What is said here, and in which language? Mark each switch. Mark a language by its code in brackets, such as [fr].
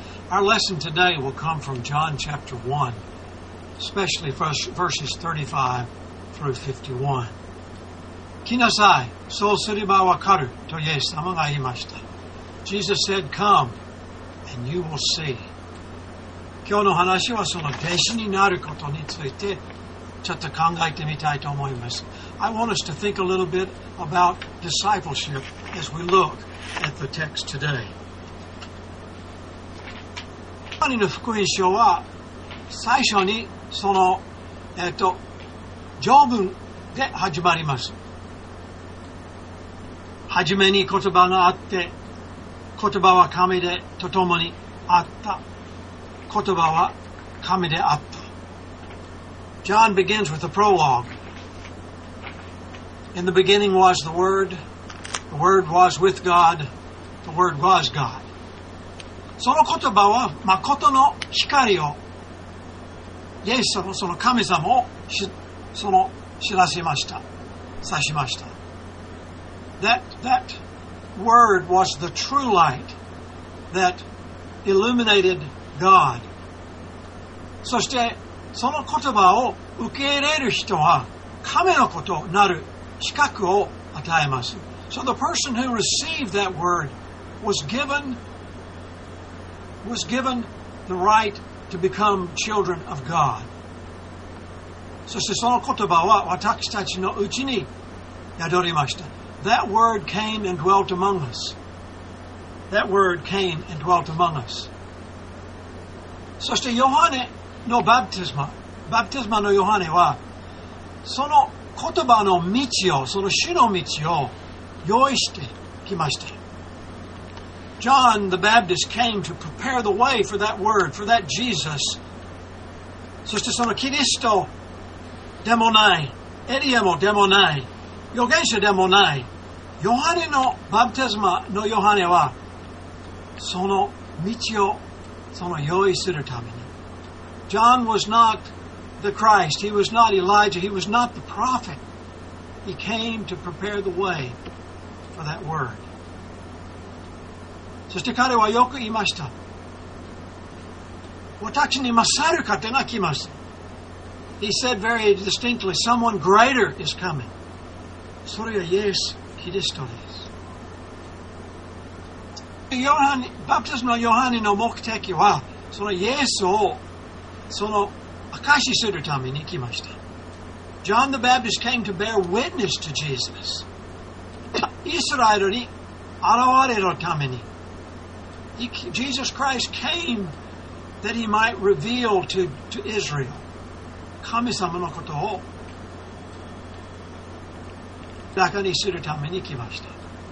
[en] Our lesson today will come from John chapter 1, especially verses 35 through 51. [ja] 来なさい、そうすればわかるとイエス様が言いました。 [en] Jesus said, come and you will see. [ja] 今日の話はその弟子になることについてちょっと考えてみたいと思います。 [en] I want us to think a little bit about discipleship as we look at the text today. [ja] ヨハネの福音書は最初にその条文で始まります。はじめに言葉があって、言葉は神でとともにあった。言葉は神であった。 [en] John begins with a prologue. In the beginning was the Word. The Word was with God. The Word was God. [ja] その言葉は真の光を、イエス様、その神様を知らせました。さしました。 [en] That Word was the true light that illuminated God. [ja] そしてその言葉を受け入れる人は神の子となる資格を与えます。 [en] So the person who received that word was given the right to become children of God. [ja] そしてその言葉は私たちのうちに宿りました。 [en] That word came and dwelt among us. That word came and dwelt among us. [ja] そしてヨハネのバプテスマのヨハネはその言葉の道を、その主の道を用意してきました。 [en] John the Baptist came to prepare the way for that word, for that Jesus. [ja] そしてそのキリストでもない、エリアもでもない、預言者でもない、ヨハネのバプテスマのヨハネはその道をその用意するために。 [en] John was not the Christ. He was not Elijah. He was not the prophet. He came to prepare the way for that word. [ja] そして彼はよく言いました。私に勝る方が来ます。 [en] He said very distinctly, someone greater is coming. [ja] それはイエス・キリストです。ヨハネ、バプテスマのヨハネの目的は、そのイエスをその証しするために来ました。 [en] John the Baptist came to bear witness to Jesus. [ja] イスラエルに現れるために。 [en] Jesus Christ came that he might reveal to Israel [ja] 神様のことを証しするために来ました。